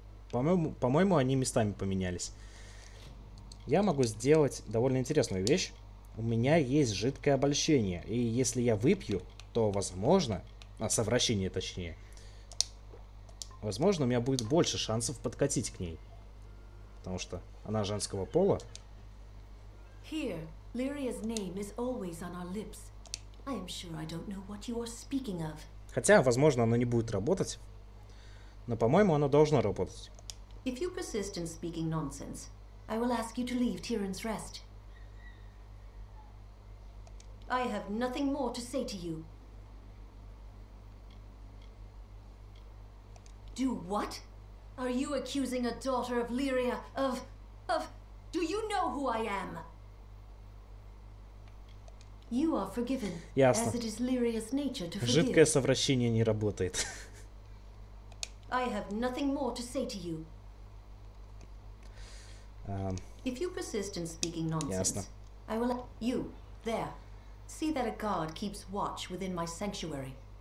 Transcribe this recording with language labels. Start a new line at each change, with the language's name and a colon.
Russian: По-моему, они местами поменялись. Я могу сделать довольно интересную вещь. У меня есть жидкое обольщение. И если я выпью, то возможно... А, совращение, точнее. Возможно, у меня будет больше шансов подкатить к ней. Потому что она женского пола.
English: Here, Lyria's name is always on our lips. I am sure I don't know what you are speaking of.
Russian: Хотя, возможно, оно не будет работать. Но, по-моему, оно должно работать.
English: If you persist in speaking nonsense, I will ask you to leave Tyrion's Rest. I have nothing more to say to you. Do what? Are you accusing a daughter of Lyria of... Do you know who I am? You are forgiven.
Russian: Ясно.
English: As it is Lyria's nature to forgive.
Russian: Жидкое совращение не работает.
English: I have nothing more to say to you. If you persist in speaking nonsense,
Russian: ясно.
English: I will... You, there. See that a guard keeps watch within my sanctuary.